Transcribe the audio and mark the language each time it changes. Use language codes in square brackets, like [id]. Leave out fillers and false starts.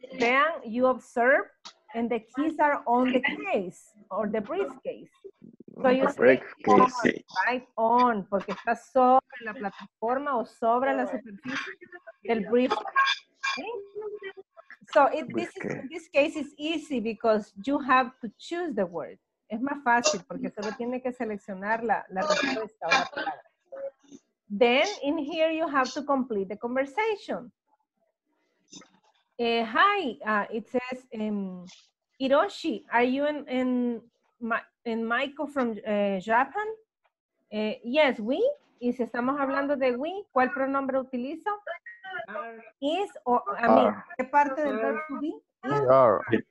[en] Then you observe. And the keys are on the case, or the briefcase. So you say on, right on, [es] porque está sobre la plataforma o sobre la superficie del briefcase. Okay? [en] So in this case it's easy because you have to choose the word. [es] Es más fácil porque solo tiene que seleccionar la respuesta o la palabra. [en] Then in here you have to complete the conversation. Hi, it says, Hiroshi, are you Maiko from Japan? Yes, we. [es] Y si estamos hablando de we, ¿cuál pronombre utilizo? Is, o, [en] I mean, [es] ¿qué parte del verbo to be?